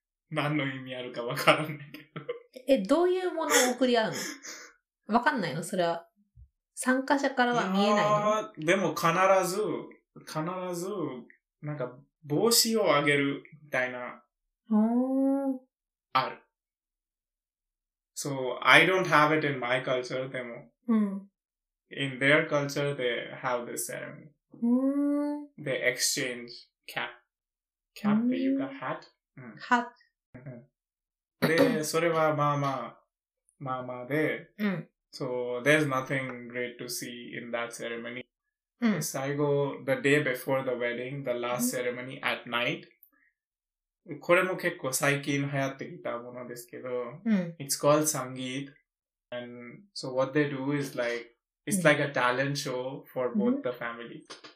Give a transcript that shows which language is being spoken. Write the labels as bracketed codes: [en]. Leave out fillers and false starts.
[ja] 何の意味あるかわからないけど。え、どういうものを送り合うの？わかんないの？それは。参加者からは見えないの？でも必ず、必ず、なんか帽子をあげるみたいな。おー。 ある。 [en] So, I don't have it in my culture, [ja] でも。うん。 [en] In their culture, they have this ceremony. [ja] うーん。 [en] They exchange cap. Cap [ja] っていうか [en] hat? [ja] うん。で、それはまあまあ、まあまあで。うん。 [en] So, there's nothing great to see in that ceremony. So, I go the day before the wedding, the last ceremony at night. [ja] これも結構最近流行ってきたものですけど、 [en] it's called Sangeet. And so, what they do is like, it's like a talent show for both the families.